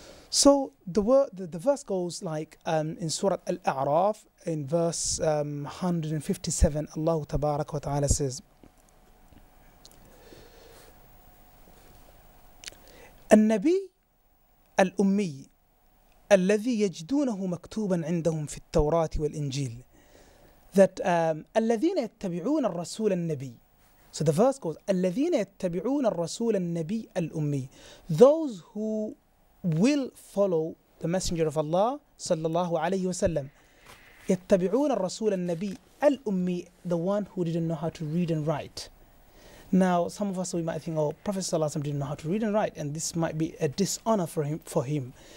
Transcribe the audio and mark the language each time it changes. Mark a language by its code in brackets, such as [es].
[en] So the verse goes like in Surah Al-A'raf, in verse 157, Allah tabarak wa ta'ala says, [ar] النبي الأمي الذي يجدونه مكتوبا عندهم في التوراة والإنجيل [en] that [ar] الذين يتبعون الرسول النبي. [en] So the verse goes, [ar] الذين يتبعون الرسول النبي الأمي. [en] Those who will follow the messenger of Allah صلى الله عليه وسلم. [ar] يتبعون الرسول النبي الأمي, [en] the one who didn't know how to read and write. Now, some of us, we might think, oh, Prophet Sallallahu Alaihi Wasallam didn't know how to read and write, and this might be a dishonor for him.